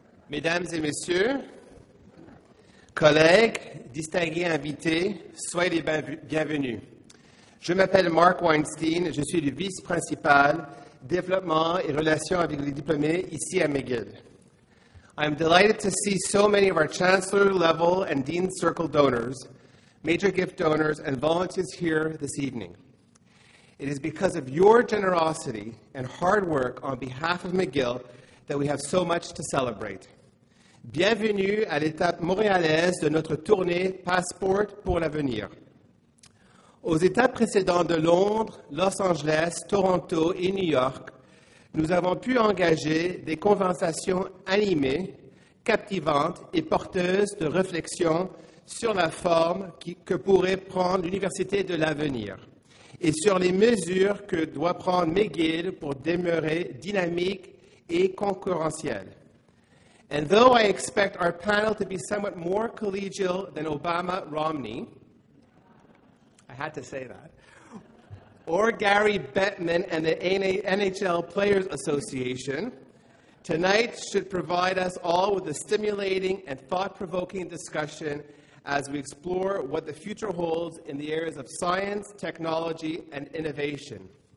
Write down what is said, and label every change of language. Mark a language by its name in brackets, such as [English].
[French] Mesdames et messieurs, collègues, distingués invités, soyez les bienvenus. Je m'appelle Mark Weinstein, je suis le vice-principal développement et relations avec les diplômés ici à McGill. [English] I'm delighted to see so many of our chancellor level and dean circle donors, major gift donors, and volunteers here this evening. It is because of your generosity and hard work on behalf of McGill that we have so much to celebrate. [French] Bienvenue à l'étape montréalaise de notre tournée Passport pour l'avenir. Aux étapes précédentes de Londres, Los Angeles, Toronto et New York, nous avons pu engager des conversations animées, captivantes et porteuses de réflexions sur la forme que pourrait prendre l'Université de l'avenir et sur les mesures que doit prendre McGill pour demeurer dynamique et concurrentielle. [English] And though I expect our panel to be somewhat more collegial than Obama-Romney, I had to say that, or Gary Bettman and the NHL Players Association, tonight should provide us all with a stimulating and thought-provoking discussion as we explore what the future holds in the areas of science, technology, and innovation.